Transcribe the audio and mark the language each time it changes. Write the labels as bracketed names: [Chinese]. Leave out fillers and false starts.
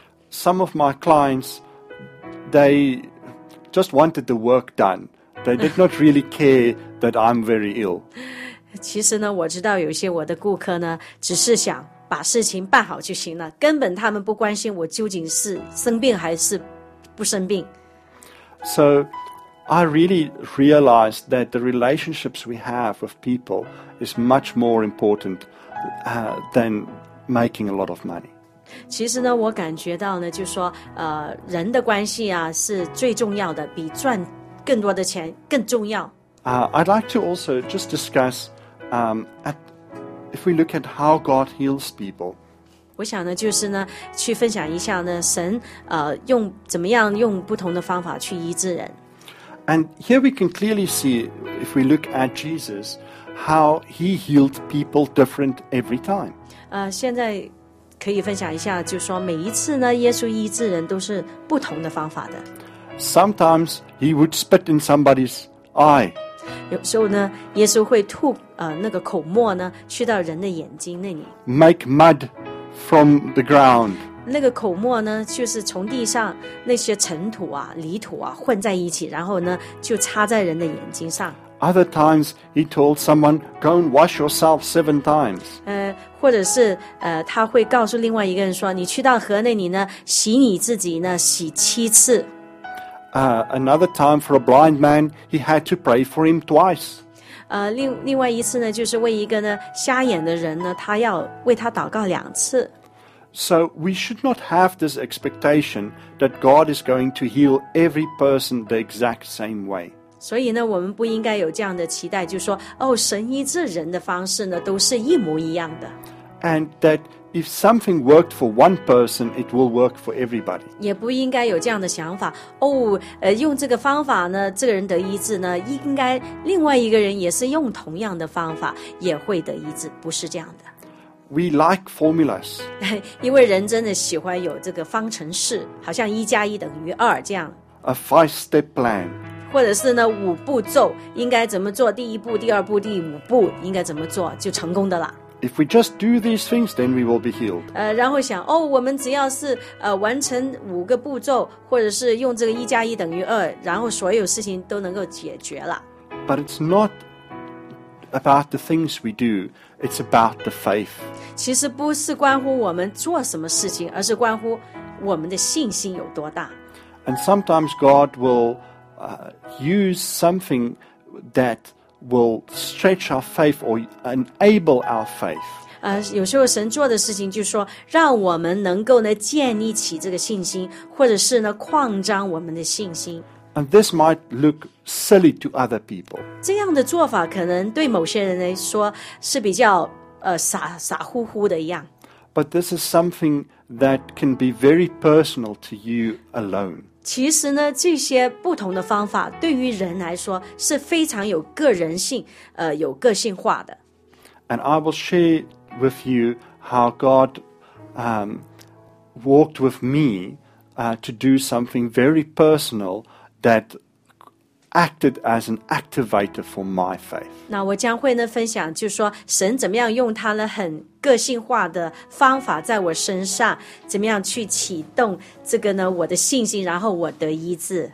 [English] Some of my clients, they just wanted the work done. They did not really care that I'm very ill. [Chinese] 其实呢，我知道有些我的顾客呢，只是想。把事情办好就行了，根本他们不关心我究竟是生病还是不生病。 [English] So, I really realized that the relationships we have with people is much more important, than making a lot of money. [Chinese] 其实呢，我感觉到呢，就说人的关系啊是最重要的，比赚更多的钱更重要。 [English] I'd like to also just discuss, If we look at how God heals people, [Chinese] 我想呢就是呢去分享一下呢神用怎么样用不同的方法去医治人。 [English] And here we can clearly see, if we look at Jesus, how he healed people different every time. [Chinese] 现在可以分享一下就是说每一次呢耶稣医治人都是不同的方法的。 [English] Sometimes he would spit in somebody's eye. [Chinese] 有时候呢耶稣会吐那个口沫呢去到人的眼睛那里。 [English] Make mud from the ground. [Chinese] 那个口沫呢就是从地上那些尘土啊泥土啊混在一起然后呢就插在人的眼睛上。 [English] Other times, he told someone, go and wash yourself 7 times. [Chinese] 或者是他会告诉另外一个人说你去到河那里呢洗你自己呢洗7次。 [English] Another time for a blind man, he had to pray for him twice. [Chinese] 另外一次呢就是为一个呢瞎眼的人呢他要为他祷告2次。 [English] So we should not have this expectation that God is going to heal every person the exact same way. [Chinese] 所以呢，我们不应该有这样的期待，就说哦，神医治人的方式呢，都是一模一样的。 [English] And that if something worked for one person, it will work for everybody. [Chinese] 也不应该有这样的想法，哦，用这个方法呢，这个人得医治呢，应该另外一个人也是用同样的方法也会得医治，不是这样的。 [English] We like formulas. [Chinese] 因为人真的喜欢有这个方程式，好像一加一等于二这样。 [English] A 5-step plan. [Chinese] 或者是呢五步骤，应该怎么做？第一步、第二步、第五步应该怎么做就成功的了。 [English] If we just do these things, then we will be healed. [Chinese] 然后想哦，我们只要是完成5个步骤，或者是用这个一加一等于二，然后所有事情都能够解决了。 [English] But it's not about the things we do. It's about the faith. [Chinese] 其实不是关乎我们做什么事情，而是关乎我们的信心有多大。 [English] And sometimes God will use something that will stretch our faith or enable our faith. [Chinese] 有时候神做的事情就是说，让我们能够呢建立起这个信心，或者是呢扩张我们的信心。 [English] And this might look silly to other people. [Chinese] 这样的做法可能对某些人来说是比较傻乎乎的一样。 [English] But this is something that can be very personal to you alone. [Chinese] 其实呢，这些不同的方法对于人来说是非常有个人性，有个性化的。 [English] And I will share with you how God walked with me to do something very personal. That acted as an activator for my faith. [Chinese] 那我将会呢分享，就是说神怎么样用他呢很个性化的方法在我身上，怎么样去启动这个呢我的信心，然后我得医治。